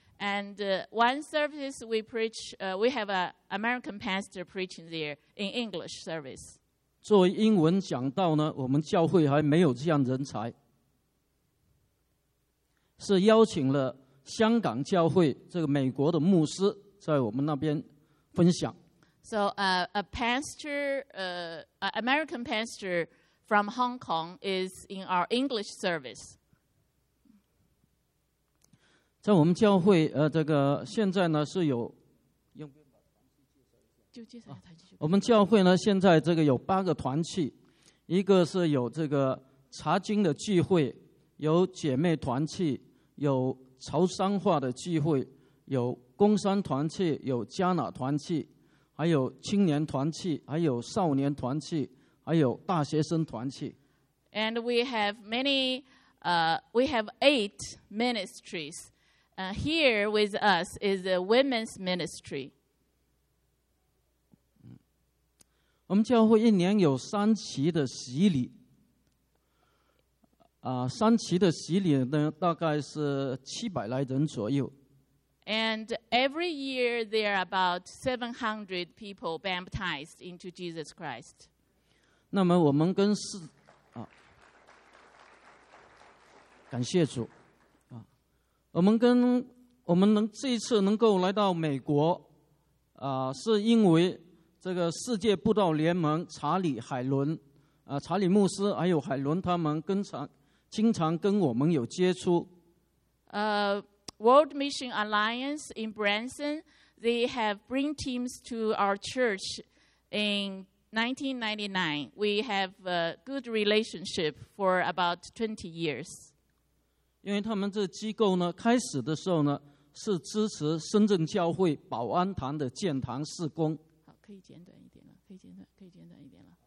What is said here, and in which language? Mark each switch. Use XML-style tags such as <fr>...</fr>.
<en>And one service we preach, we have an American pastor preaching there in English service.</en> <zh>作为英文讲道呢，我们教会还没有这样人才。是邀请了香港教会这个美国的牧师在我们那边分享。</zh> <en>So a pastor, an American pastor from Hong Kong is in our English service.</en> <zh>在我们教会，这个现在呢是有，用就介绍团契。我们教会呢现在这个有八个团契，一个是有这个查经的聚会，有姐妹团契。有潮商化的聚会，有工商团契，有加拿团契，还有青年团契，还有少年团契，还有大学生团契。</zh> <en>And we have many, we have eight ministries. Here with us is a women's ministry.</en> <zh>我们教会一年有三期的洗礼。三期的洗礼呢，大概是700来人左右。</zh> <en>And every year there are about 700 people baptized into Jesus Christ.</en> <zh>那么我们跟四啊，感谢主啊，我们这一次能够来到美国啊，是因为这个世界布道联盟查理海伦啊，查理牧师还有海伦他们跟常。经常跟我们有接触。</zh> <en>World Mission Alliance in Branson, they have bring teams to our church in 1999. We have a good relationship for about 20 years.</en> <zh>因为他们这机构呢，开始的时候呢，是支持深圳教会保安堂的建堂事工。好，可以简短一点了，可以简短一点了。</zh>